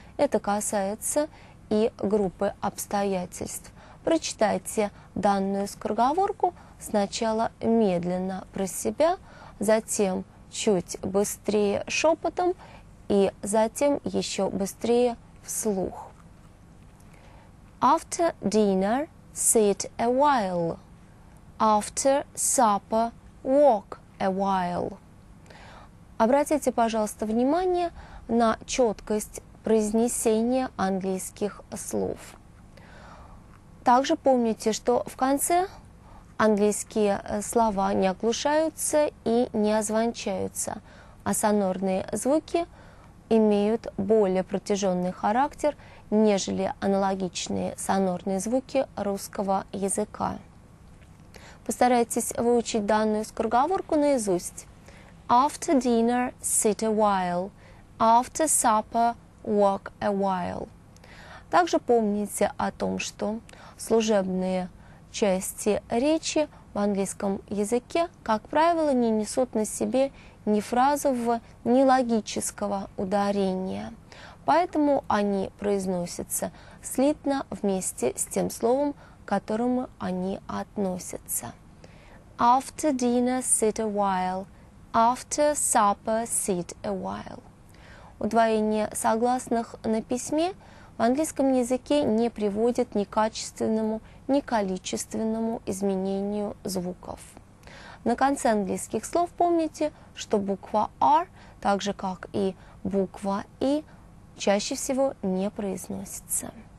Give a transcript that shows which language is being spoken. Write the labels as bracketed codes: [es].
[ru] Это касается и группы обстоятельств. Прочитайте данную скороговорку сначала медленно про себя, затем чуть быстрее шепотом и затем еще быстрее вслух. [en] After dinner, sit a while. After supper, walk a while. [ru] Обратите, пожалуйста, внимание на четкость произнесения английских слов. Также помните, что в конце английские слова не оглушаются и не озвончаются, а сонорные звуки имеют более протяженный характер, нежели аналогичные сонорные звуки русского языка. Постарайтесь выучить данную скороговорку наизусть. [en] After dinner, sit a while. After supper, walk a while. [ru] Также помните о том, что служебные части речи в английском языке, как правило, не несут на себе ни фразового, ни логического ударения. Поэтому они произносятся слитно вместе с тем словом, к которому они относятся. [en] After dinner, sit a while. After supper, sit a while. [ru] Удвоение согласных на письме в английском языке не приводит ни к качественному, ни к количественному изменению звуков. На конце английских слов помните, что буква R, так же как и буква I, чаще всего не произносится.